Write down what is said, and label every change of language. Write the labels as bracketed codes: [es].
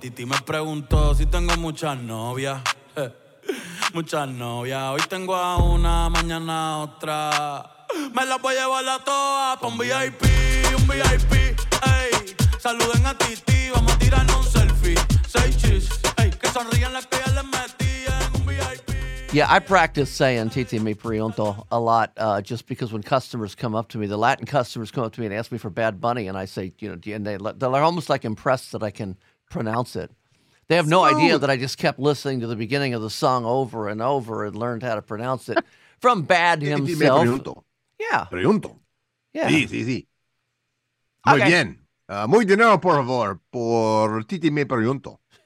[es] Titi me preguntó si tengo muchas novias, hoy tengo a una, mañana a otra, me las voy a llevar a todas pa' un VIP, ey, saluden a Titi, vamos a tirarnos un selfie, say cheese, ey, que sonríen las que ya les metí. [en] Yeah, I practice saying Titi Mi Pregunto a lot just because when customers come up to me, the Latin customers come up to me and ask me for Bad Bunny, and I say, you know, and they're almost like impressed that I can pronounce it. They have no idea that I just kept listening to the beginning of the song over and over and learned how to pronounce it from Bad himself. [es] Titi Mi Pregunto. [en] Yeah. [es] Pregunto. [en] Yeah. [es] Sí, sí, sí. Muy bien. Muy dinero, por favor, por Titi Mi Pregunto.